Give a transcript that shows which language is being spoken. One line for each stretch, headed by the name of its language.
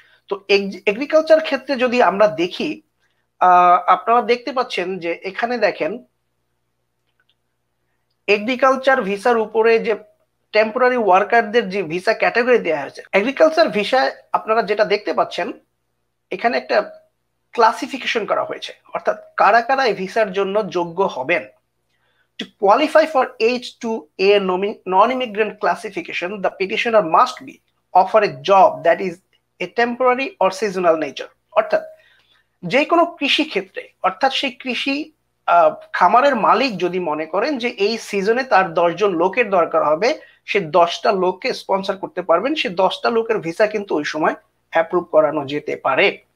Bangla: তো এগ্রিকালচার ক্ষেত্রে যদি আমরা দেখি, আপনারা দেখতে পাচ্ছেন যে এখানে দেখেন এগ্রিকালচার ভিসার উপরে যে টেম্পোরারি ওয়ার্কারদের যে ভিসা ক্যাটাগরি দেওয়া হয়েছে এগ্রিকালচার ভিসায়, আপনারা যেটা দেখতে পাচ্ছেন এখানে একটা ক্লাসিফিকেশন করা হয়েছে অর্থাৎ কারা কারা এই ভিসার জন্য যোগ্য হবেন।
English: To qualify for H2A non-immigrant classification, the petitioner must be offer a job that is a temporary or seasonal nature.
Bangla: অর্থাৎ যে কোনো কৃষি ক্ষেত্রে অর্থাৎ সেই কৃষি খামারের মালিক যদি মনে করেন যে এই সিজনে তার 10 জন লোকের দরকার হবে, সে 10টা লোককে স্পন্সর করতে পারবেন, সে 10টা লোকের ভিসা কিন্তু ওই সময় অ্যাপ্রুভ করানো যেতে পারে।